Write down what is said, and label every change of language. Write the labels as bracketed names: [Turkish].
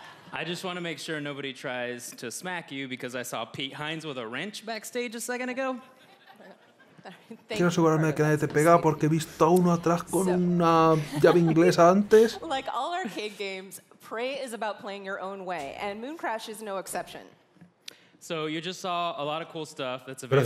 [English] I just want to make sure nobody tries to smack you because I saw Pete Hines with a wrench backstage a second ago. [Spanish] Quiero asegurarme de que nadie te pega porque he visto a uno atrás con una llave inglesa antes. [English] Like all arcade games, Prey is about playing your own way, and Moon Crash is no exception. So you just saw a lot of cool stuff that's available.